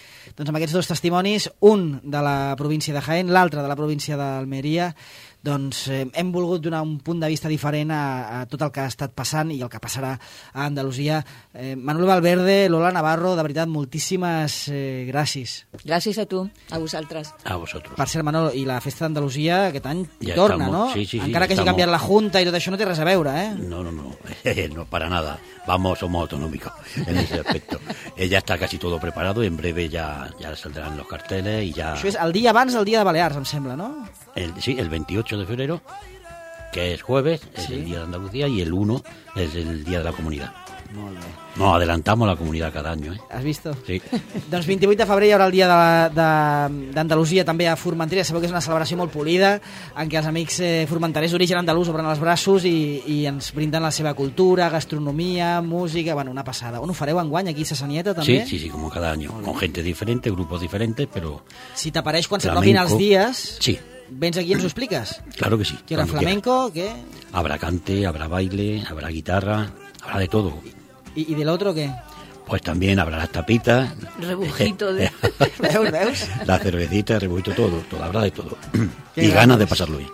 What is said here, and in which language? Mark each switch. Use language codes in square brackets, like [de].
[ca] Doncs amb aquests dos testimonis, un de la província de Jaén, l'altre de la província d'Almeria, doncs hem volgut donar un punt de vista diferent a tot el que ha estat passant i el que passarà a Andalusia. Manuel Valverde, Lola Navarro, de veritat, moltíssimes gràcies. Gràcies a tu, a vosaltres. A vosaltres. Per cert, Manolo, i la festa d'Andalusia aquest any ja torna, [es] estamos, [ca] no? [es] Sí, sí, [ca] encara [es] sí, [ca] que hagi canviat la Junta i tot això no té res a veure, eh? [es] No, no para nada. Vamos, somos autonómicos en ese aspecto. Ya está casi todo preparado, en breve ya saldrán los carteles y ya... [ca] Això és el dia abans del dia de Balears, em sembla, no? [es] El 28 de febrero, que es jueves, es sí. El día de Andalucía, y el 1 es el día de la comunidad. [ca] Molt bé. [es] No, adelantamos la comunidad cada año, ¿eh? ¿Has visto? Sí. [ca] Doncs 28 de febrer hi haurà el dia d'Andalusia també a Formentera. Sabeu que és una celebració molt polida, en què els amics formenterers d'origen andalús obren els braços i ens brinden la seva cultura, gastronomia, música... Bueno, una passada. On ho fareu enguany, aquí a Sassanieta, també? [es] Sí, como cada año. Con gente diferente, grupos diferentes, pero... [ca] Si t'apareix quan s'atropin els dies... [es] Sí. ¿Vens aquí y nos explicas? Claro que sí. ¿Qué era flamenco? ¿Qué? Habrá cante, habrá baile, habrá guitarra, habrá de todo. ¿Y del otro qué? Pues también habrá las tapitas. Rebujito de... [ca] ¿Veus? [es] La cervecita, rebujito, todo, habrá de todo. Qué y ganas de pasarlo bien.